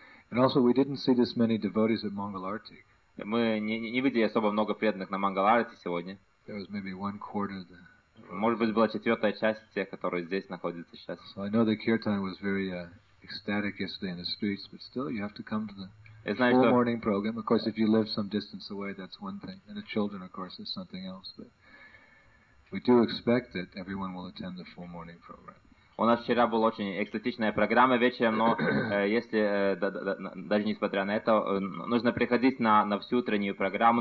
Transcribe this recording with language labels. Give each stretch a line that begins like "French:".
English: And also, we didn't see this many devotees at Mangal Arati.
Russian: Мы не видели особо много преданных на Мангал Арати сегодня.
English: There was maybe one quarter of the.
Russian: Может быть, была четвертая часть тех, которые здесь находятся сейчас.
English: So I know the kirtan was very ecstatic yesterday in the streets, but still, you have to come to the full morning program. Of course, if you live some distance away, that's one thing, and the children, of course, is something else. But we do expect that everyone will attend the full morning program.
Russian: У нас вчера была очень экстатичная программа вечером, но если даже несмотря на это, нужно приходить на всю утреннюю программу.